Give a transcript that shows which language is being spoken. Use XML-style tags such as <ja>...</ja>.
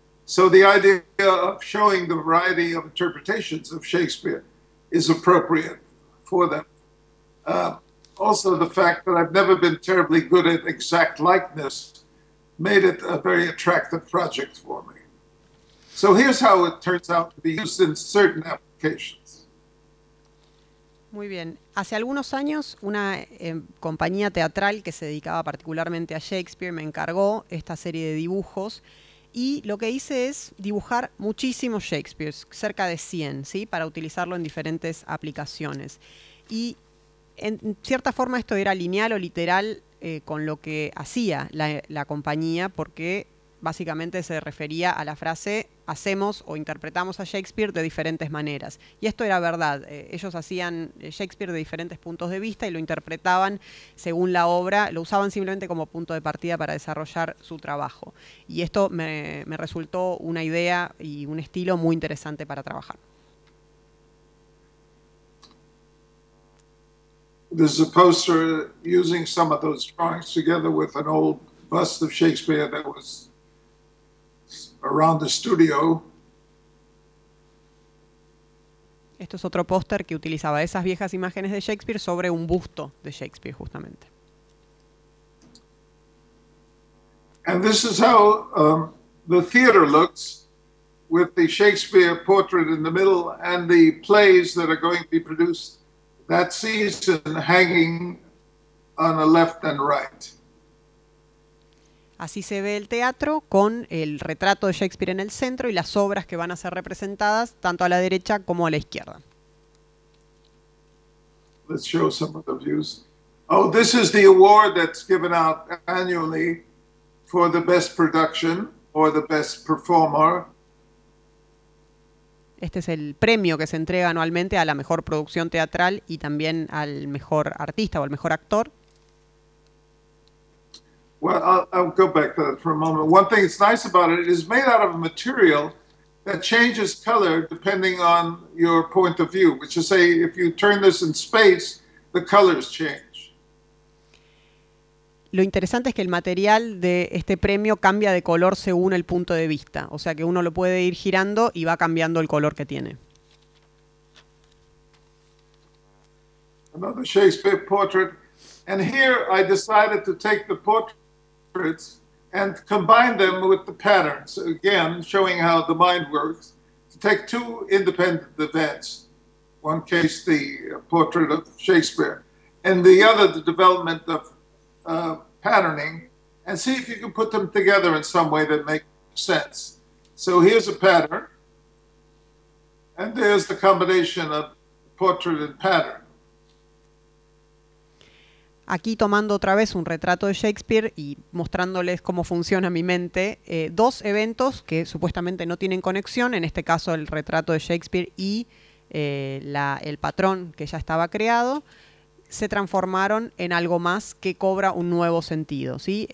<en>So the idea of showing the variety of interpretations of Shakespeare is appropriate for them. Also, the fact that I've never been terribly good at exact likeness made it a very attractive project for me. So here's how it turns out to be used in certain applications.</en> <es>Muy bien. Hace algunos años, una compañía teatral que se dedicaba particularmente a Shakespeare me encargó esta serie de dibujos. Y lo que hice es dibujar muchísimos Shakespeares, cerca de 100, ¿sí? Para utilizarlo en diferentes aplicaciones. Y en cierta forma esto era lineal o literal con lo que hacía la compañía, porque básicamente se refería a la frase hacemos o interpretamos a Shakespeare de diferentes maneras. Y esto era verdad. Ellos hacían Shakespeare de diferentes puntos de vista y lo interpretaban según la obra. Lo usaban simplemente como punto de partida para desarrollar su trabajo. Y esto me resultó una idea y un estilo muy interesante para trabajar.</es> <en>There's a poster using some of those drawings together with an old bust of Shakespeare that was around the studio.</en> <es>Esto es otro póster que utilizaba esas viejas imágenes de Shakespeare sobre un busto de Shakespeare, justamente.</es> <en>And this is how the theater looks, with the Shakespeare portrait in the middle and the plays that are going to be produced that season hanging on the left and right.</en> <es>Así se ve el teatro con el retrato de Shakespeare en el centro y las obras que van a ser representadas tanto a la derecha como a la izquierda.</es> <en>Let's show some of the views. Oh, this is the award that's given out annually for the best production or the best performer.</en> <es>Este es el premio que se entrega anualmente a la mejor producción teatral y también al mejor artista o al mejor actor.</es> <en>Well, I'll go back to that for a moment. One thing that's nice about it is made out of a material that changes color depending on your point of view, which is say if you turn this in space, the colors change.</en> <es>Lo interesante es que el material de este premio cambia de color según el punto de vista. O sea que uno lo puede ir girando y va cambiando el color que tiene.</es> <en>Another Shakespeare portrait. And here I decided to take the portraits and combine them with the patterns. Again, showing how the mind works. To take two independent events. One case, the portrait of Shakespeare. And the other, the development of patterning, and see if you can put them together in some way that makes sense. So here's a pattern, and there's the combination of portrait and pattern.</en> <es>Aquí tomando otra vez un retrato de Shakespeare y mostrándoles cómo funciona mi mente, dos eventos que supuestamente no tienen conexión, en este caso el retrato de Shakespeare y el patrón que ya estaba creado, se transformaron en algo más que cobra un nuevo sentido, ¿sí?</es>